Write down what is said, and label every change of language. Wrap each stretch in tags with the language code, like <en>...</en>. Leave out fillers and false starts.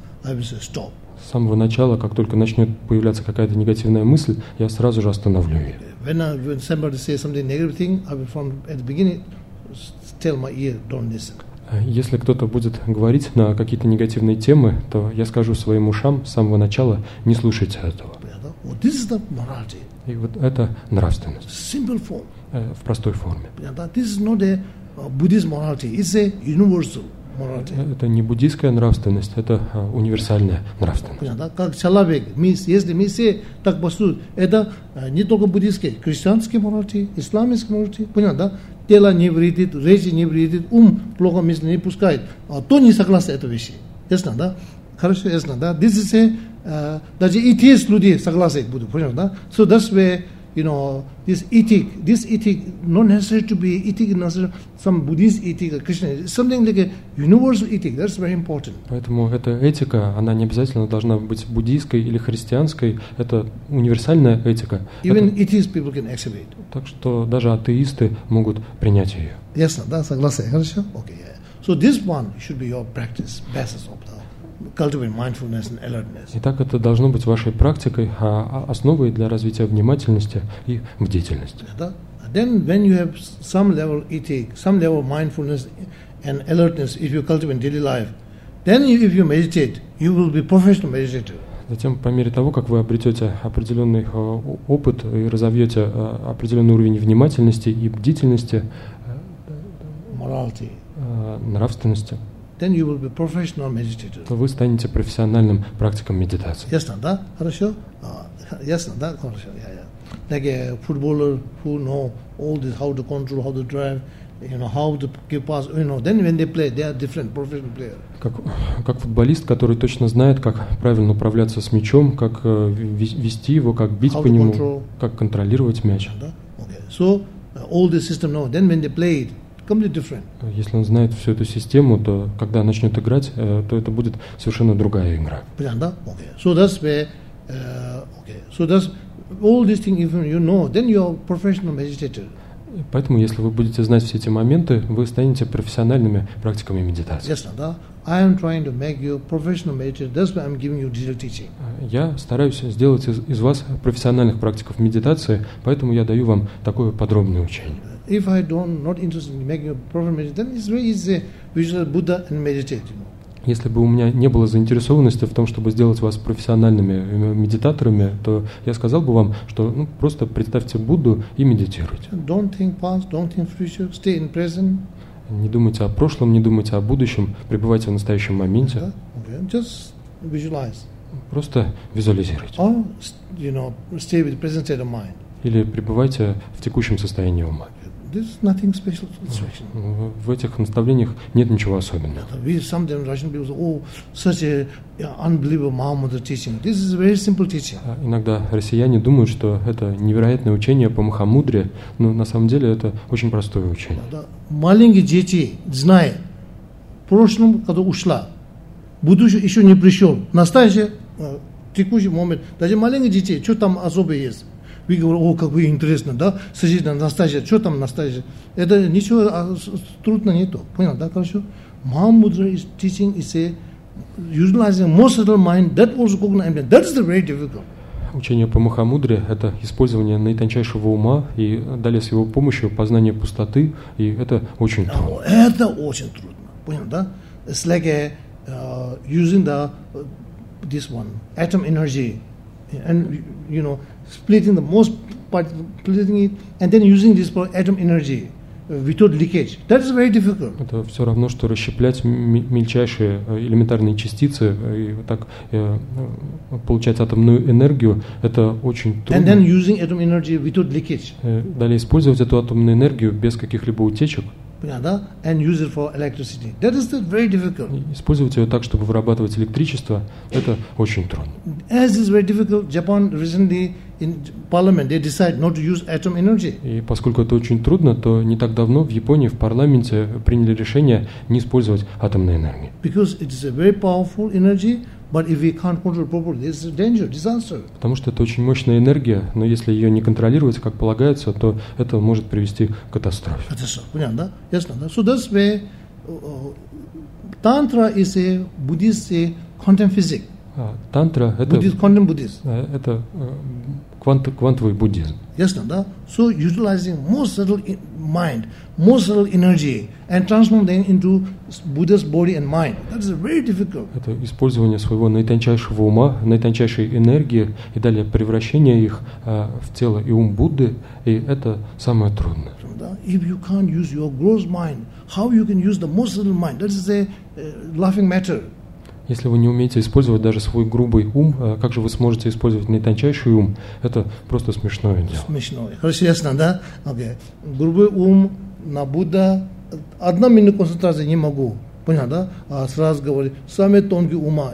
<ru>С самого начала, как только начнет появляться какая-то негативная мысль, я сразу же остановлю ее.</ru> <en>When somebody says something negative thing, I will from at the beginning tell my ear, don't listen.</en> <ru>Если кто-то будет говорить на какие-то негативные темы, то я скажу своим ушам с самого начала, не слушайте этого.</ru> <en>Well, this is the morality.</en> <ru>И вот это нравственность.</ru> <en>Simple form.</en> <ru>В простой форме.</ru> <en>This is not a Buddhist morality. It's a universal.</en> <ru>Это не буддийская нравственность, это универсальная нравственность. Как человек, если мы все так поступим, это не только буддийская, христианская морали, исламская морали, понятно, да? Тело не вредит, речь не вредит, ум плохо мысли не пускает, а то не согласны этой вещи. Ясно, да? Хорошо, ясно, да?</ru> <en>This is a,</en> <ru>даже ETS люди согласны будут, понятно, да?</ru> <en>So that's where, you know, this ethic not necessary to be ethic, not necessary some Buddhist ethic or Christian ethic, something like a universal ethic, that's very important.</en> <ru>Поэтому эта этика, она не обязательно должна быть буддийской или христианской, это универсальная этика.</ru> <en>Even</en> <ru>это...</ru> <en>atheist people can accept it.</en> <ru>Так что даже атеисты могут принять ее. Ясно, да, согласен, хорошо?</ru> <en>Okay, yeah. So this one should be your practice, basis of the cultivate mindfulness and alertness.</en> <ru>Итак, это должно быть вашей практикой, основой для развития внимательности и бдительности.</ru> <en>Then when you have some level ethic, some level mindfulness and alertness, if you cultivate daily life, then if you meditate, you will be professional meditator.</en> <ru>Затем, по мере того, как вы обретете определенный опыт и разовьете определенный уровень внимательности и бдительности,</ru> <en>morality,</en> <ru>нравственности,</ru> <en>then you will be professional meditator.</en> <ru>То вы станете профессиональным практиком медитации. Ясно, да? Хорошо? Ясно, да? Хорошо.</ru> <en>Like a footballer who know all this, how to control, how to drive, you know, how to give pass, you know, then when they play, they are different professional player.</en> <ru>Как футболист, который точно знает, как правильно управляться с мячом, как вести его, как бить</ru> <en>how</en> <ru>по нему,</ru> <en>control,</en> <ru>как контролировать мяч. Да? Okay.</ru> <en>So, all the system know, then when they play it,</en> <ru>если он знает всю эту систему, то когда начнет играть, то это будет совершенно другая игра. Понятно?</ru> <en>Okay. So that's where, okay. So that's all these things. If you know, then you are professional meditator.</en> <ru>Поэтому, если вы будете знать все эти моменты, вы станете профессиональными практиками медитации. Ясно, да?</ru> <en>I am trying to make you professional meditator. That's why I'm giving you digital teaching.</en> <ru>Я стараюсь сделать из вас профессиональных практиков медитации, поэтому я даю вам такое подробное учение.</ru> <en>If I don't not interested in making a proper meditation, then it's very easy visual Buddha and meditate, you know.</en> <ru>Если бы у меня не было заинтересованности в том, чтобы сделать вас профессиональными медитаторами, то я сказал бы вам, что ну, просто представьте Будду и медитируйте.</ru> <en>Don't think past, don't think future, stay in present.</en> <ru>Не думайте о прошлом, не думайте о будущем, пребывайте в настоящем моменте.</ru> <en>Okay. Just visualize.</en> <ru>Просто визуализируйте.</ru> <en>Or, you know, stay with present state of mind.</en> <ru>Или пребывайте в текущем состоянии ума.</ru> <en>This is nothing special situation.</en> <ru>В этих наставлениях нет ничего особенного.</ru> <en>We sometimes Russian people say, "Oh, such a unbelievable Mahamudra teaching." This is a very simple teaching.</en> <ru>Иногда россияне думают, что это невероятное учение по Махамудре, но на самом деле это очень простое учение. Маленькие дети знают, прошлое, когда ушло, будущее еще не пришел, настоящее, текущий момент. Даже маленькие дети, что там особое есть? Вы говорите, о, как вы интересно, да? Сидите настоящее, что там настоящее? Это ничего трудно нету. Понял, да, хорошо?</ru> <en>Махамудра is teaching, is a utilizing most of the mind, that also cognitive, that is very difficult.</en> <ru>Учение по Махамудре – это использование наитончайшего ума и далее с его помощью познание пустоты, и это очень трудно. Это очень трудно, понял, да?</ru> <en>It's like a, using the, this one, atom energy, and, you know, splitting the most part, splitting it, and then using this for atom energy without leakage. That is very difficult.</en> <ru>Это все равно, что расщеплять мельчайшие элементарные частицы и так получать атомную энергию. Это очень трудно.</ru> <en>And then using atom energy without leakage.</en> <ru>Далее использовать эту атомную энергию без каких-либо утечек.</ru> <en>Да? And use it for electricity. That is very difficult.</en> <ru>Использовать ее так, чтобы вырабатывать электричество, это очень трудно.</ru> <en>As is very difficult, Japan recently in parliament they decide not to use atom energy.</en> <ru>И поскольку это очень трудно, то не так давно в Японии в парламенте приняли решение не использовать атомную энергию.</ru> <en>Because it is a very powerful energy, but if we can't control properly, this is a danger, disaster.</en> <ru>Потому что это очень мощная энергия, но если ее не контролировать, как полагается, то это может привести к катастрофе. Понятно, да? Ясно, да?</ru> <en>So that's where Tantra is a Buddhist quantum physics.</en> <ru>Тантра – это, квантовый буддизм. Ясно, да?</ru> <en>So utilizing most subtle mind, most subtle energy, and transform them into Buddha's body and mind. That is very difficult.</en> <ru>Это использование своего наитончайшего ума, наитончайшей энергии, и далее превращение их в тело и ум Будды, и это самое трудное.</ru> <en>If you can't use your gross mind, how you can use the most subtle mind? That is a laughing matter.</en> <ru>Если вы не умеете использовать даже свой грубый ум, как же вы сможете использовать наитончайший ум? Это просто смешное дело. Смешное. Хорошо, ясно, да? Окей. Грубый ум на Будда. Одна минута концентрации не могу. Понял, да? А сразу говорю, самый тонкий ума.</ru>